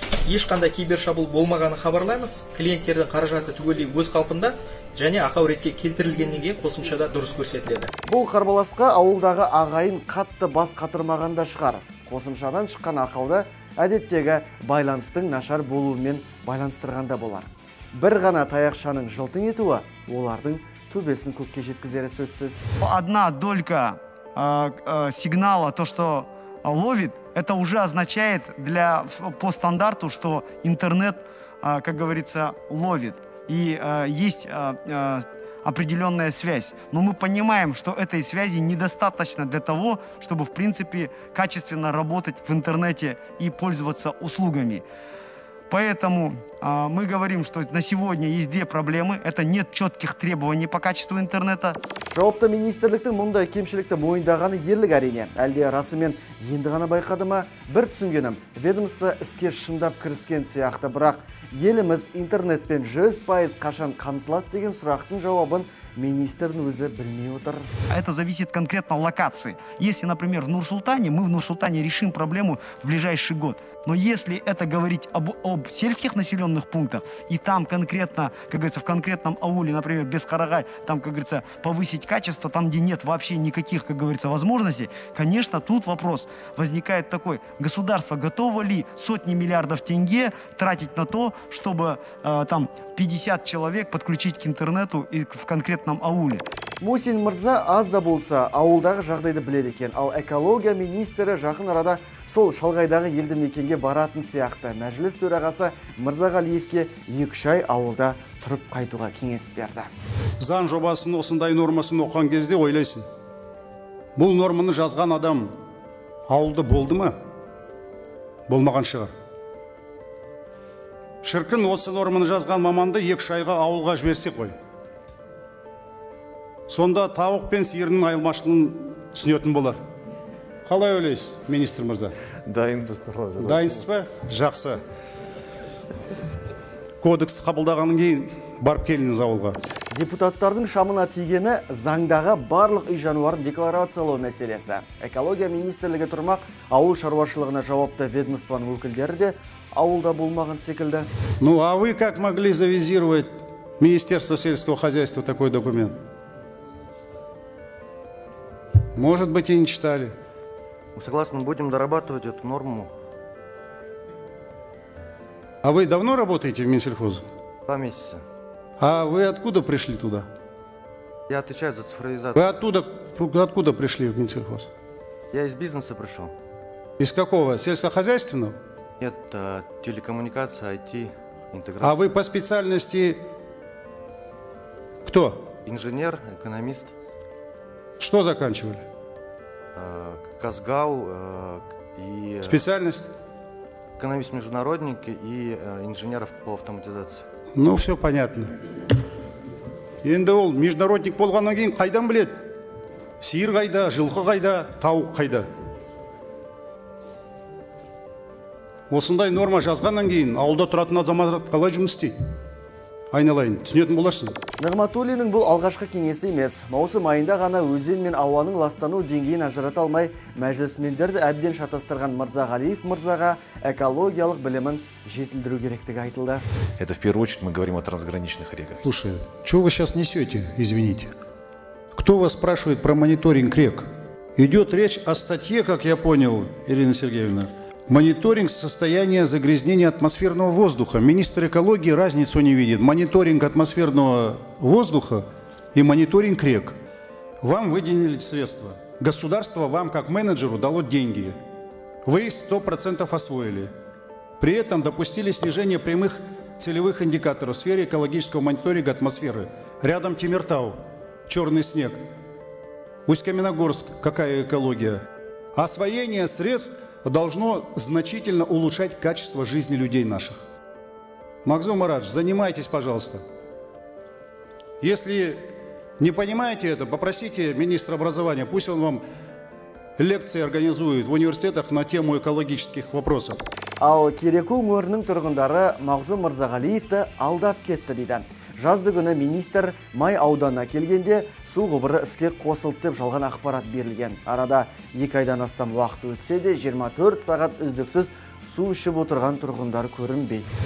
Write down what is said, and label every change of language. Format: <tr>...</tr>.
<kk>Ешқандай кибер шабуыл болмағанын хабарлаймыз. Клиенттердің қаражаты түгелдей өз қалпында және ақау ретке келтірілгеннен кейін қосымшада дұрыс көрсетіледі. Бұл қарбаласқа ауылдағы ағайын қатты бас қатырмаған да шығар. Қосымшадан шыққан ақауды әдеттегі байланыстың нашар болуымен байланыстырған да болар. Бір ғана таяқшаның жылтың етуі олардың төбесін көкке жеткізері сөзсіз.</kk> <ru>Одна долька сигнала, то что ловит, это уже означает для по стандарту, что интернет, как говорится, ловит. И есть определенная связь. Но мы понимаем, что этой связи недостаточно для того, чтобы, в принципе, качественно работать в интернете и пользоваться услугами. Поэтому мы говорим, что на сегодня есть две проблемы. Это нет четких требований по качеству интернета.</ru> <kk>Жауапты министрліктің мұндай кемшілікті мойындағаны ерлік әрине. Әлде расымен енді ғана байқады ма? Бір түсінгенім, ведомство іске шындап кіріскен сияқты, бірақ еліміз интернетпен 100% қашан қамтылады деген сұрақтың жауабын министрдің өзі білмей отыр.</kk> <ru>Это зависит конкретно локации. Если, например, в Нур-Султане, мы в Нур-Султане решим проблему в ближайший год. Но если это говорить об сельских населенных пунктах, и там конкретно, как говорится, в конкретном ауле, например, Бескарагай, там, как говорится, повысить качество, там, где нет вообще никаких, как говорится, возможностей, конечно, тут вопрос возникает такой. Государство готово ли сотни миллиардов тенге тратить на то, чтобы там 50 человек подключить к интернету и в конкретном ауле?</ru> <kk>Мусин Мырза аз да болса, ауылдағы жағдайды біледі екен. Ал экология министрі жақын арада сол Шалғайдағы елді мекенге баратын сияқты. Мәжіліс төрағасы Мырзағалиевке 2-3 ай ауылда тұрып қайтуға кеңес берді. Заң жобасын осындай нормасын оқыған кезде ойлайсың. Бұл норманы жазған адам ауылды болды ма? Болмаған шығар. Шіркін, осы норманы жазған маманды 2-3 айға ауылға жіберсек қой. Сонда тауық пен сиырының айырмашылығын түсінетін болар. Қалай ойлайсыз, министр мырза? Дайынбыз, Нұрлан Зайроллаұлы. Дайынсыз ба? Жақсы. Кодексті қабылдағаннан кейін барып келіңіз ауылға. Депутаттардың шамына тигені заңдағы барлық үй жануарын декларациялау мәселесі. Экология министрлігі тұрмақ, ауыл шаруашылығына жауапты ведомствоның өкілдері де ауылда болмаған секілді.</kk> <ru>Ну, а вы как могли завизировать Министерство сельского хозяйства такой документ? Может быть, и не читали. Согласен, будем дорабатывать эту норму. А вы давно работаете в Минсельхозе? 2 месяца. А вы откуда пришли туда? Я отвечаю за цифровизацию. Вы откуда пришли в Минсельхоз? Я из бизнеса пришел. Из какого? Сельскохозяйственного? Нет, телекоммуникация, IT, интеграция. А вы по специальности кто? Инженер, экономист. Что заканчивали? КазГАУ и... Специальность? Экономист-международник и инженер по автоматизации. Ну, все понятно.</ru> <kk>Енді ол международник болғаннан кейін қайдан біледі? Сиыр қайда, жылқы қайда, тауық қайда? Осындай норма жазғаннан кейін ауылда тұратын азаматтар қалай жұмыс істейді? Айналайын, түсінетін боларсың. Нығматулиннің бұл алғашқы кеңесі емес. Маусым айында ғана өзен мен ауаның ластану деңгейін ажырата алмай, мәжілісмендерді әбден шатастырған Мырзағалиев мырзаға экологиялық білімін жетілдіру керектігі айтылды.</kk> <ru>Это в первую очередь мы говорим о трансграничных реках. Слушай, что вы сейчас несете, извините? Кто вас спрашивает про мониторинг рек? Идет речь о статье, как я понял, Ирина Сергеевна. Мониторинг состояния загрязнения атмосферного воздуха. Министр экологии разницу не видит. Мониторинг атмосферного воздуха и мониторинг рек. Вам выделили средства. Государство вам, как менеджеру, дало деньги. Вы 100% освоили. При этом допустили снижение прямых целевых индикаторов в сфере экологического мониторинга атмосферы. Рядом Темиртау, черный снег. Усть-Каменогорск, какая экология. Освоение средств должно значительно улучшать качество жизни людей наших. Магзум Марадж, занимайтесь, пожалуйста. Если не понимаете это, попросите министра образования, пусть он вам лекции организует в университетах на тему экологических вопросов.</ru> <kk>Ал Кереку өңірінің тұрғындары Магзум Мырзағалиевті алдап кетті дейді. Жазды күні министр май ауданына келгенде су құбыры іске қосылды деп жалған ақпарат берілген. Арада 2 айдан астам уақыт өтсе де 24 сағат үздіксіз су ішіп отырған тұрғындар көрінбей.</kk>